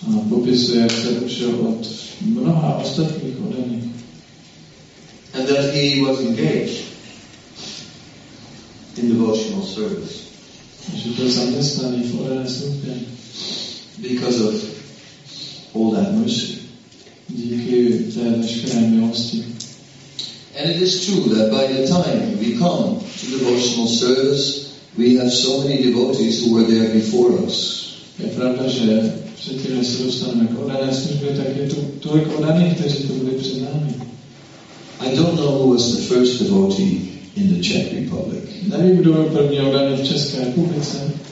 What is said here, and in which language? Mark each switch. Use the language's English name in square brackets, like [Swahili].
[Czech] A popisuje, jak se učil od mnoha ostatních oddaných. [English] And that he was engaged in devotional service. [Czech] Že byl zaměstnaný v oddané službě. [English] Because of all that mercy. [Czech] Díky té veškeré milosti. [English] And it is true that by the time we come to devotional service, we have so many devotees who were there before us. [Czech] Je pravda, že předtím, než se dostaneme k oddané službě, tak je to tolik oddaných, kteří to byli před námi. [English] I don't know who was the first devotee in the Czech Republic. [Czech] Nevím, kdo byl první oddaný v České republice.